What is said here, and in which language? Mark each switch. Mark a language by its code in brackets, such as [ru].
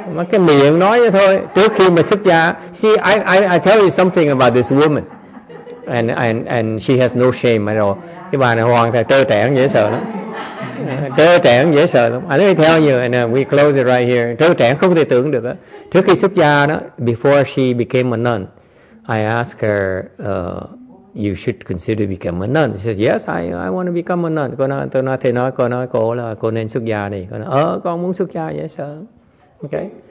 [vi] Cái miệng nói vậy thôi. Trước khi mà xuất gia, [en] see, I tell you something about this woman, and she has no shame at all. [vi] Cái bà này hoàn toàn trơ trẽn dễ sợ lắm, trơ trẽn dễ sợ lắm. [en] I let me tell you, and we close it right here. [vi] Trơ trẽn không thể tưởng được đó. Trước khi xuất gia đó, [en] before she became a nun, I asked her, you should consider become a nun. He says, yes, I want to become a nun. [vi] Cô nói cô là cô nên xuất gia đi. Cô nói, con muốn xuất gia, yes sir. Okay.